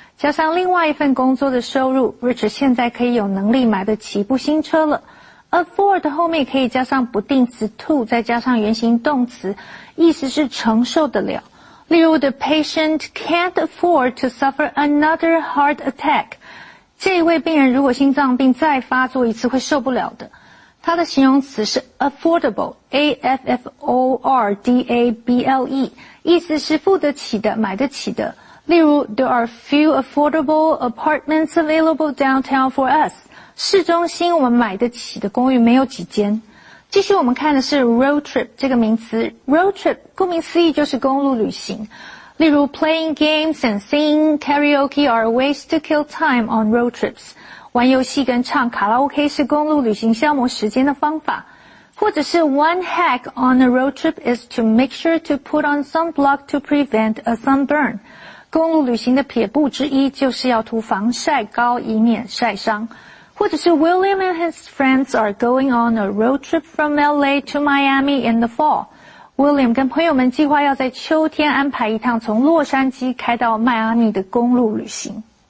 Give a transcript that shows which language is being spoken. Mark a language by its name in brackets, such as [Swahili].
[Chinese] 加上另外一份工作的收入 ,Richard 现在可以有能力买得起一部新车了。 Afford 后面可以加上不定词 to, 再加上原形动词，意思是承受得了。例如 [English] the patient can't afford to suffer another heart attack. [Chinese] 这一位病人如果心脏病再发作一次会受不了的。它的形容词是 affordable, A-F-F-O-R-D-A-B-L-E, 意思是付得起的、买得起的。例如 [English] ,there are few affordable apartments available downtown for us. [Chinese] 市中心我们买得起的公寓没有几间。继续我们看的是 road trip 这个名词。road trip, 顾名思义就是公路旅行。例如 [English] playing games and singing karaoke are ways to kill time on road trips. [Chinese] 玩游戏跟唱卡拉 OK 是公路旅行消磨时间的方法。或者是 [English] one hack on a road trip is to make sure to put on sunblock to prevent a sunburn. [Chinese] 公路旅行的撇步之一就是要涂防晒膏以免晒伤。或者是 [English] William and his friends are going on a road trip from LA to Miami in the fall. [Chinese] William 跟朋友们计划要在秋天安排一趟从洛杉矶开到迈阿密的公路旅行。